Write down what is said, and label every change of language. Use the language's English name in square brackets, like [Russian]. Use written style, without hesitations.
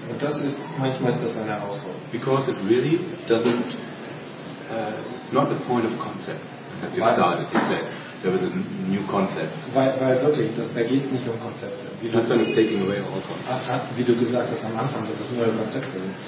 [German] Und das ist manchmal ist das eine Herausforderung. [English] Because it really doesn't. It's not the point of concepts. As you started, you said there was a new concept. [German] Weil wirklich, da geht es nicht um Konzepte. [English] It's not like taking away all concepts. [German] Wie du gesagt hast am Anfang, dass es neue Konzepte sind.